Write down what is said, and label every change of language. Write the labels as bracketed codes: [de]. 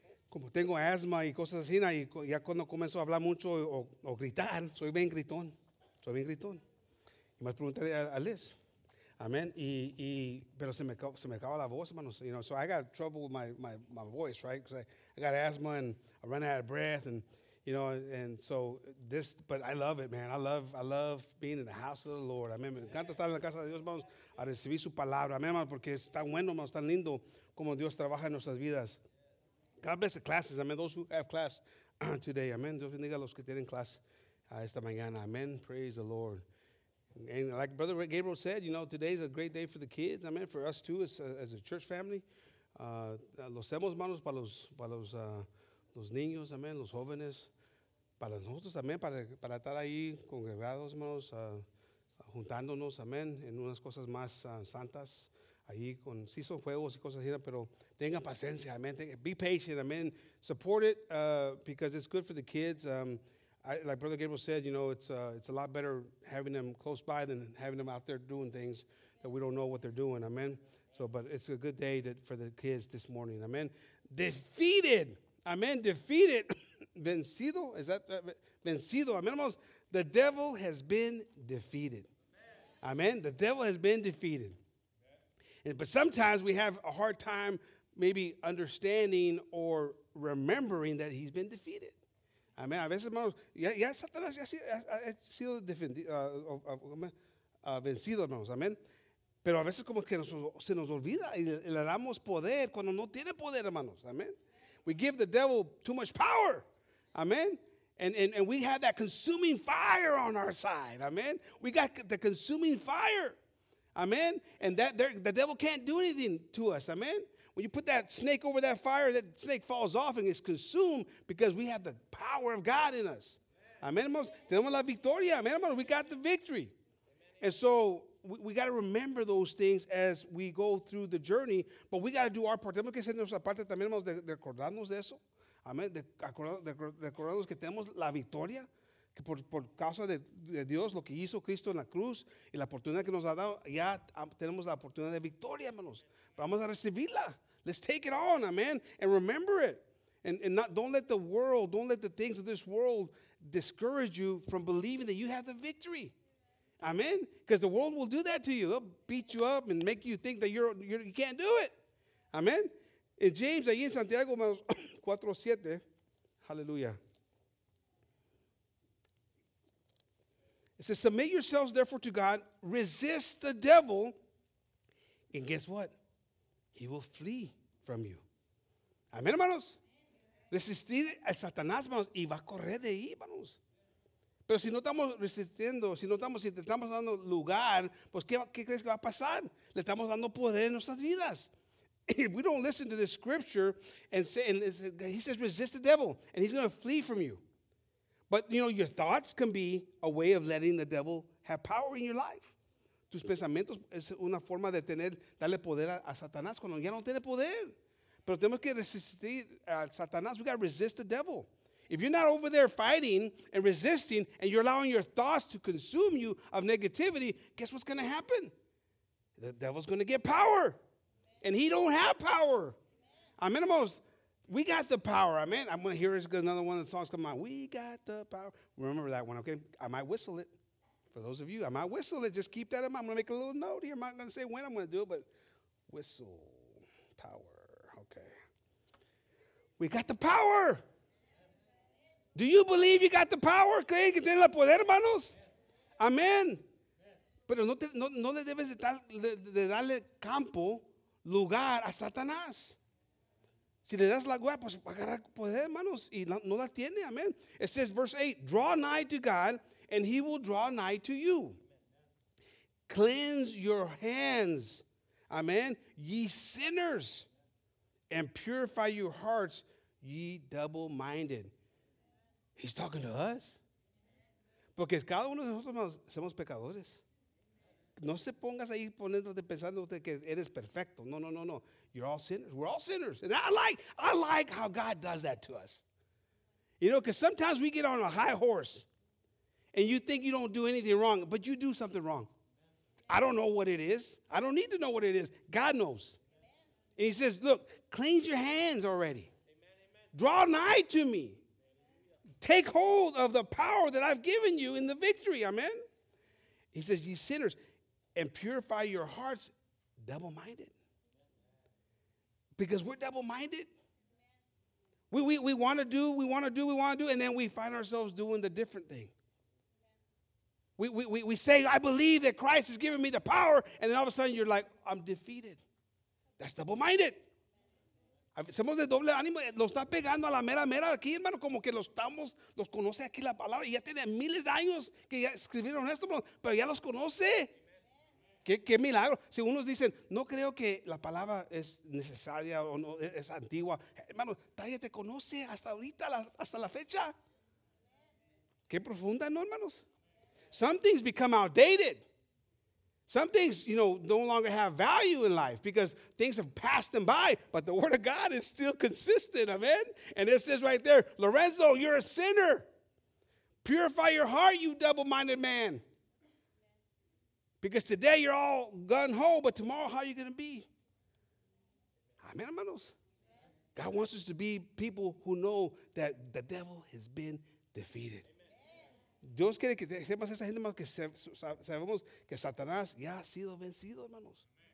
[es] Como tengo asma y cosas así, y ya cuando comienzo a hablar mucho o gritar, soy bien gritón. Soy bien gritón. Y más preguntarle a Liz. Amén. Y pero se me acaba la voz, hermanos. [en] You know, so I got trouble with my voice, right? Because I got asthma and I run out of breath. And, you know, and so this, but I love it, man. I love being in the house of the Lord. [es] Amén. Me encanta estar en la casa de Dios, hermanos, a recibir su palabra. Amén, hermanos, porque es tan bueno, hermanos, tan lindo como Dios trabaja en nuestras vidas. [en] God bless the classes. Amen. Those who have class today. Amen. [es] Dios bendiga a los que tienen class esta mañana. [en] Amen. Praise the Lord. And like Brother Gabriel said, you know, today's a great day for the kids. [es] Amen. [en] For us too, as a church family. [es] Los hemos manos para los niños. Amen. Los jóvenes. Para nosotros también, para estar ahí congregados, hermanos, juntándonos. Amen. En unas cosas más santas. Ahí con, sí son juegos y cosas así, pero tenga paciencia, amen. [en] Be patient, amen. Support it because it's good for the kids. Like Brother Gabriel said, you know, it's a lot better having them close by than having them out there doing things that we don't know what they're doing, amen. So, but it's a good day for the kids this morning, amen. Defeated, amen, defeated. Vencido, is that? Vencido, amen. The devil has been defeated, amen. The devil has been defeated. But sometimes we have a hard time maybe understanding or remembering that he's been defeated. Amen. [es] A veces, hermanos, ya Satanás ya ha sido vencido, hermanos. Amen. Pero a veces como que se nos olvida y le damos poder cuando no tiene poder, hermanos. [en] Amen. We give the devil too much power. Amen. And we have that consuming fire on our side. Amen. We got the consuming fire. Amen. And that the devil can't do anything to us. Amen. When you put that snake over that fire, that snake falls off and is consumed because we have the power of God in us. Amen. Amen. [es] Tenemos la victoria. [en] Amen. Amen. We got the victory. And so we got to remember those things as we go through the journey. But we got to do our part. [es] Tenemos que hacer nuestra parte también, hermanos, de acordarnos de eso. Amen. De acordarnos que tenemos la victoria. Que por causa de Dios, lo que hizo Cristo en la cruz y la oportunidad que nos ha dado, ya tenemos la oportunidad de victoria, hermanos. Vamos a recibirla. [en] Let's take it on, amen, and remember it. And not, don't let the world, don't let the things of this world discourage you from believing that you have the victory. Amen? Because the world will do that to you. They'll beat you up and make you think that you can't do it. [es] Amen? In James, ahí en Santiago, hermanos, 4:7, hallelujah. [en] It says, submit yourselves, therefore, to God. Resist the devil. And guess what? He will flee from you. Amen, hermanos. [es] Resistir al Satanás, hermanos, y va a correr de ahí, hermanos. Pero si no estamos resistiendo, si te estamos dando lugar, pues, ¿qué crees que va a pasar? Le estamos dando poder en nuestras vidas. [en] If we don't listen to this scripture, he says, resist the devil, and he's going to flee from you. But, you know, your thoughts can be a way of letting the devil have power in your life. [es] Tus pensamientos es una forma de darle poder a Satanás cuando ya no tiene poder. Pero tenemos que resistir a Satanás. [en] We got to resist the devil. If you're not over there fighting and resisting and you're allowing your thoughts to consume you of negativity, guess what's going to happen? The devil's going to get power. And he don't have power. Amen. We got the power, amen. I'm going to hear another one of the songs come on. We got the power. Remember that one, okay? I might whistle it. For those of you, I might whistle it. Just keep that in mind. I'm going to make a little note here. I'm not going to say when I'm going to do it, but whistle. Power. Okay. We got the power. Do you believe you got the power? [es] ¿Creen que tienen el poder, hermanos? [en] Amen. [es] Pero no, te, no, no le debes de, tal, de darle campo, lugar a Satanás. Si le das la guía, pues va a agarrar poder, hermanos, y no, no la tiene, amén. [en] It says, verse 8, draw nigh to God, and he will draw nigh to you. Cleanse your hands, amén, ye sinners, and purify your hearts, ye double-minded. He's talking to us. [es] Porque cada uno de nosotros somos pecadores. No se pongas ahí poniéndote pensando que eres perfecto. [en] No, no, no, no. You're all sinners. We're all sinners. And I like how God does that to us. You know, because sometimes we get on a high horse and you think you don't do anything wrong, but you do something wrong. I don't know what it is. I don't need to know what it is. God knows. And he says, look, cleanse your hands already. Draw nigh to me. Take hold of the power that I've given you in the victory. Amen. He says, ye sinners, and purify your hearts, double-minded. Because we're double-minded. We want to do, and then we find ourselves doing the different thing. We say, I believe that Christ has given me the power, and then all of a sudden you're like, I'm defeated. That's double-minded. [es] Somos de doble ánimo, lo está pegando a la mera mera aquí, hermano, como que los estamos, los conoce aquí la palabra, y ya tiene miles de años que ya escribieron esto, pero ya los conoce. ¿Qué milagro? Si unos dicen, no creo que la palabra es necesaria o no, es antigua. Hermano, nadie te conoce hasta ahorita, hasta la fecha. ¿Qué profunda, no, hermanos? [en] Some things become outdated. Some things, you know, no longer have value in life because things have passed them by, but the word of God is still consistent, amen? And it says right there, Lorenzo, you're a sinner. Purify your heart, you double-minded man. Because today you're all gung-ho, but tomorrow how are you going to be? Amen, hermanos. God wants us to be people who know that the devil has been defeated. [es] Dios quiere que sepas esa gente, hermanos, que sabemos que Satanás ya ha sido vencido, hermanos.